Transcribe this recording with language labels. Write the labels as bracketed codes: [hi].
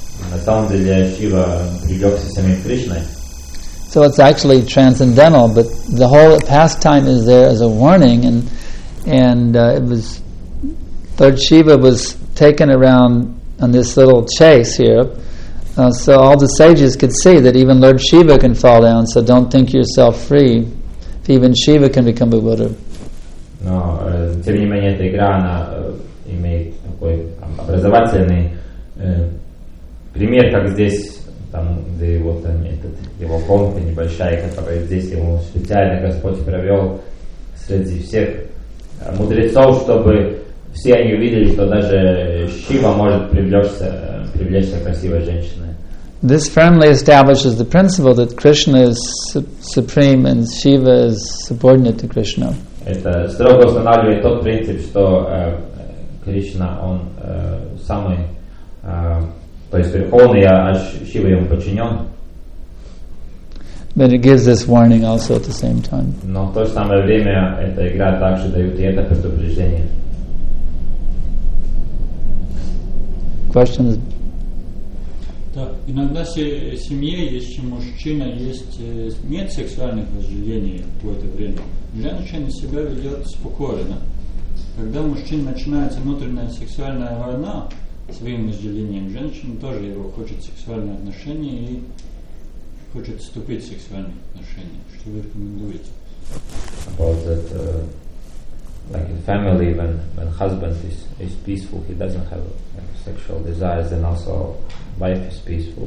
[ru] На самом деле, Шива привлекся самим Кришной. [en] So it's actually transcendental, but the whole pastime is there as a warning, and it was Lord Shiva was taken around on this little chase here. So all the sages could see that even Lord Shiva can fall down, so don't think yourself free if even Shiva can become bewildered. [ru] Но, тем не менее, эта игра, она имеет такой образовательный пример, как здесь, там, где вот они, этот, его комната небольшая, которая здесь ему специально Господь провел среди всех мудрецов, чтобы все они увидели, что даже Шива может привлечься красивой женщиной. [en] This firmly establishes the principle that Krishna is supreme and Shiva is subordinate to Krishna. [ru] Это строго устанавливает тот принцип, что Кришна он самый, то есть верховный, а Шива ему подчинен. [en] But it gives this warning also at the same time. [ru] Но в то же самое время эта игра также дает и это предупреждение. [en] Questions? [ru] Так, иногда в семье, если мужчина нет сексуальных возжелений в какое-то время, женщина себя ведет спокойно. Когда у мужчины начинается внутренняя сексуальная война своим возжелением, женщина тоже его хочет сексуальные отношения и хочет вступить в сексуальные отношения. Что вы рекомендуете? [en] About that, like in family, when husband is peaceful, he doesn't have sexual desires, and also wife is peaceful.